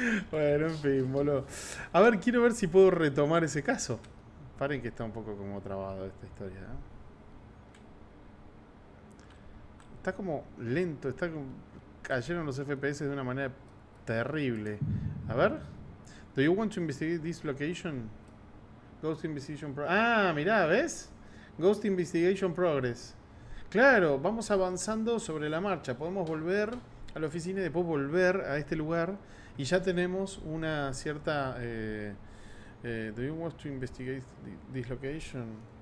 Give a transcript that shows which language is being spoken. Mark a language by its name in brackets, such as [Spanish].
[Spanish] Bueno, en fin, boludo. A ver, quiero ver si puedo retomar ese caso. Paren que está un poco como trabado esta historia, ¿no? Está como lento, está como... Cayeron los FPS de una manera terrible. A ver. [English] Do you want to investigate this location? [Spanish] Ghost Investigation Progress. Ah, mirá, ¿ves? Ghost Investigation Progress. Claro, vamos avanzando sobre la marcha. Podemos volver a la oficina y después volver a este lugar. Y ya tenemos una cierta... [English] do you want to investigate this location?